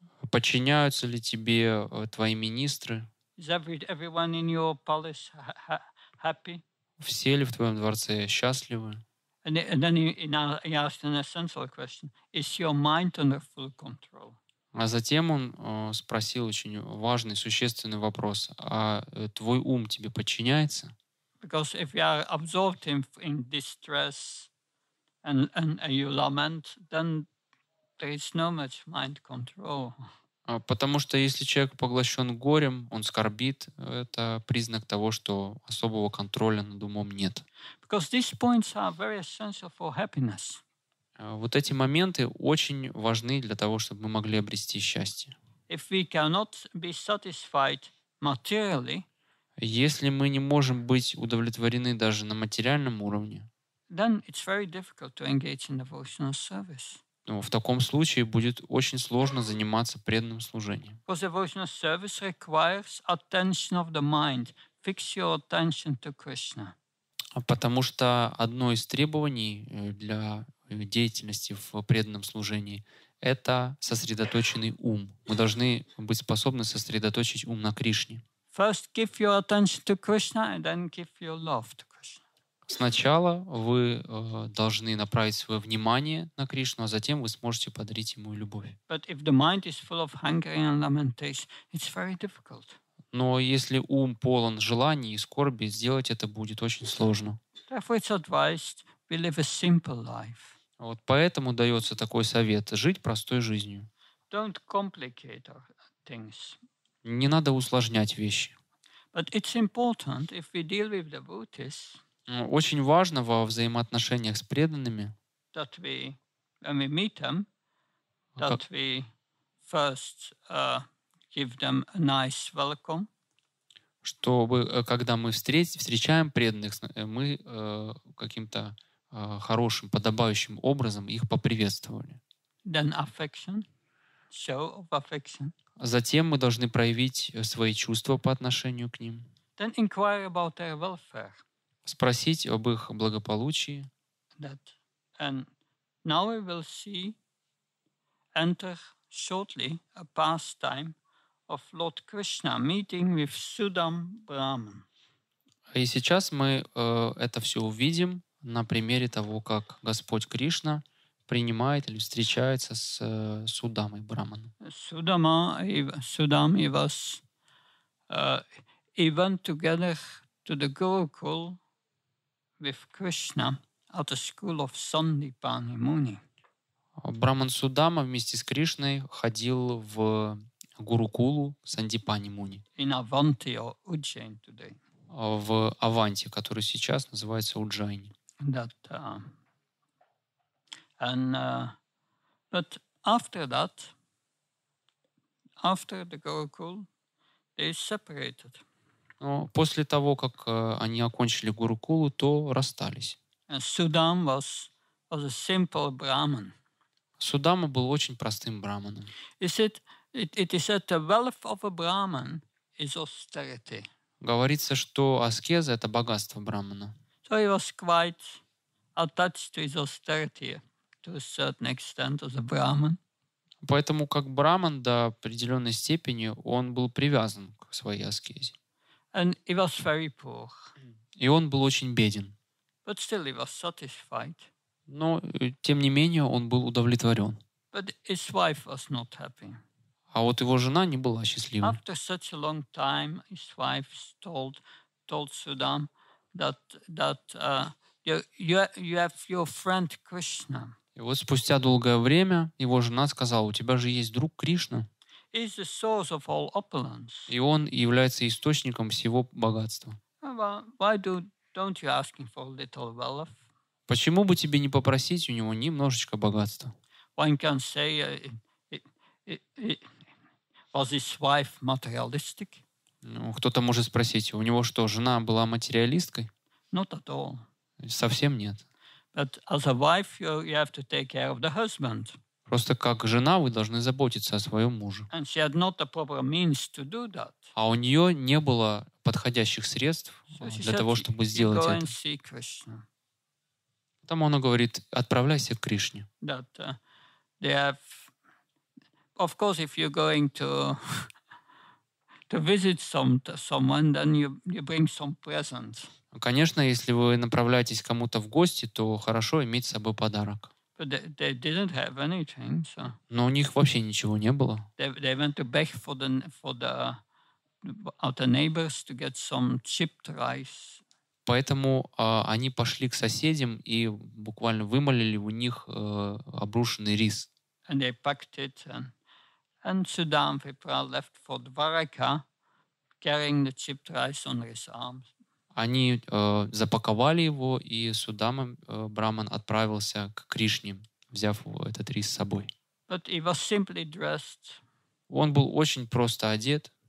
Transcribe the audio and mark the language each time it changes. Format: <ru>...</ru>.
<ru>Подчиняются ли тебе твои министры? Все ли в твоем дворце счастливы? А затем он спросил очень важный, существенный вопрос. А твой ум тебе подчиняется?</ru> <en>Because if you are absorbed in distress and you lament, then there is no much mind control.</en> <ru>Потому что если человек поглощен горем, он скорбит, это признак того, что особого контроля над умом нет.</ru> <en>Because these points are very essential for happiness.</en> <ru>Вот эти моменты очень важны для того, чтобы мы могли обрести счастье.</ru> <en>If we cannot be satisfied materially,</en> <ru>если мы не можем быть удовлетворены даже на материальном уровне,</ru> <en>then it's very difficult to engage in devotional service.</en> <ru>Ну, в таком случае будет очень сложно заниматься преданным служением.</ru> <en>Because devotional service requires attention of the mind. Fix your attention to Krishna.</en> <ru>Потому что одно из требований для деятельности в преданном служении — это сосредоточенный ум. Мы должны быть способны сосредоточить ум на Кришне.</ru> <en>First give your attention to Krishna, and then give your love to Krishna.</en> <ru>Сначала вы должны направить свое внимание на Кришну, а затем вы сможете подарить ему любовь.</ru> <en>But if the mind is full of hunger and lamentation, it's very difficult.</en> <ru>Но если ум полон желаний и скорби, сделать это будет очень сложно.</ru> <en>Therefore it's advised we live a simple life.</en> <ru>Вот поэтому дается такой совет – жить простой жизнью.</ru> <en>Don't complicate things.</en> <ru>Не надо усложнять вещи.</ru> <en>But it's important if we deal with devotees.</en> <ru>Очень важно во взаимоотношениях с преданными,</ru> <en>that we, when we meet them, that we first give them a nice welcome.</en> <ru>Чтобы, когда мы встречаем преданных, мы каким-то хорошим, подобающим образом их поприветствовали.</ru> <en>Then affection, show of affection.</en> <ru>Затем мы должны проявить свои чувства по отношению к ним.</ru> <en>Then inquire about their welfare.</en> <ru>Спросить об их благополучии.</ru> <en>That, and Now we will see enter shortly a pastime of Lord Krishna meeting with Sudam Brahman.</en> <ru>И сейчас мы это все увидим на примере того, как Господь Кришна принимает или встречается с Судамой Брахманом.</ru> <en>Sudama Sudami was even together to the Gurukul with Krishna at the school of Sandipani Muni.</en> <ru>Брахман Судама вместе с Кришной ходил в Гурукулу Сандипани Муни.</ru> <en>In Avanti or Ujjain today.</en> <ru>В Аванти, который сейчас называется Уджайни.</ru> <en>That, and but after that, after the Gurukul, they separated.</en> <ru>Но после того, как они окончили Гурукулу, то расстались.</ru> <en>And Sudam was a simple Brahman.</en> <ru>Судама был очень простым брахманом.</ru> <en>It is said the wealth of a Brahman is austerity.</en> <ru>Говорится, что аскеза — это богатство брахмана.</ru> <en>So he was quite attached to his austerity to a certain extent as a Brahman.</en> <ru>Поэтому как брахман до определенной степени он был привязан к своей аскезе.</ru> <en>And he was very poor.</en> <ru>И он был очень беден.</ru> <en>But still he was satisfied.</en> <ru>Но тем не менее он был удовлетворен.</ru> <en>But his wife was not happy.</en> <ru>А вот его жена не была счастлива.</ru> <en>After such a long time, his wife told Sudam that you have your friend Krishna.</en> <ru>И вот спустя долгое время его жена сказала: у тебя же есть друг Кришна.</ru> <en>He is the source of all opulence.</en> <ru>И он является источником всего богатства.</ru> <en>Well, why don't you ask him for a little wealth?</en> <ru>Почему бы тебе не попросить у него немножечко богатства?</ru> <en>One can say, was his wife materialistic?</en> <ru>Ну, кто-то может спросить, у него что, жена была материалисткой?</ru> <en>Not at all.</en> <ru>Совсем нет.</ru> <en>But as a wife, you have to take care of the husband.</en> <ru>Просто как жена вы должны заботиться о своем муже.</ru> <en>And she had not the proper means to do that.</en> <ru>А у нее не было подходящих средств для того, чтобы сделать это.</ru> <en>Go and see Krishna.</en> <ru>Там она говорит: отправляйся к Кришне.</ru> <en>That, they have... Of course, if you're going to visit someone, then you bring some presents.</en> <ru>Конечно, если вы направляетесь кому-то в гости, то хорошо иметь с собой подарок.</ru> <en>But they didn't have anything, so.</en> <ru>Но у них вообще ничего не было.</ru> <en>They went to beg for the neighbors to get some chipped rice.</en> <ru>Поэтому они пошли к соседям и буквально вымолили у них обрушенный рис.</ru> <en>And they packed it. And Sudam Vipra left for Dwaraka, carrying the chipped rice on his arms.</en> <ru>Они запаковали его, и Судама Брахман отправился к Кришне, взяв этот рис с собой.</ru> <en>But he was simply dressed.</en> <ru>Он был очень просто одет.</ru>